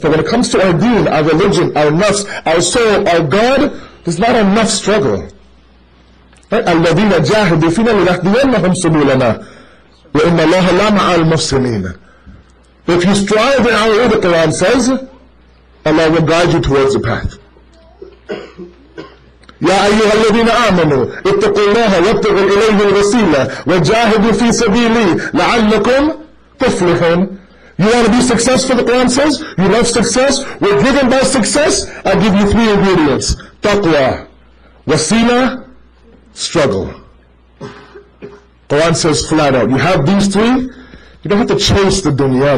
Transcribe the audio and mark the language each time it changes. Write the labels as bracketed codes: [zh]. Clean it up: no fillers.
[en] But when it comes to our deen, our religion, our nafs, our soul, our God, there's not enough struggle. [ar] أَلَّذِينَ جَاهِدُوا فِينَا لِنَهْدِيَنَّهُمْ سُبُولَنَا وَإِنَّ اللَّهَ لَمَعَ الْمُحْسِنِينَ [en] If you strive in our way, the Quran says, Allah will guide you towards the path. [ar] يا أيها الذين آمنوا اتقوا الله وابتغوا إليه الوسيلة وجاهدوا في سبيله لعلكم تفلحون. [en] You want to be successful, the Quran says? You love success? We're driven by success? I give you three ingredients. Taqwa, wasila, struggle. Quran says flat out, you have these three, you don't have to chase the dunya.